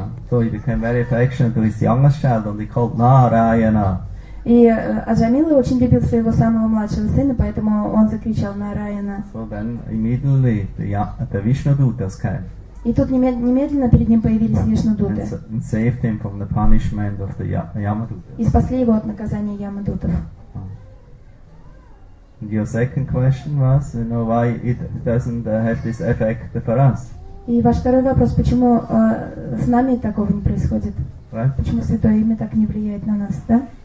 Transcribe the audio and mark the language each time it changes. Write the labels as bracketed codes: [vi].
[en] So he became very affectionate to his youngest child, and he called Narayana. [ru] И Аджамила очень любил своего самого младшего сына, поэтому он закричал Нараяна. [en] So then immediately the Vishnudutas came. [ru] И тут немедленно перед ним появились Вишнудуты. [en] And saved him from the punishment of the Yamadutas. [ru] И спасли его от наказания Ямадутов. [en] Your second question was, you know, why it doesn't have this effect for us? [ru] И ваш второй вопрос, почему с нами такого не происходит? [en] Right. [ru] Почему святое имя так не влияет на нас, да?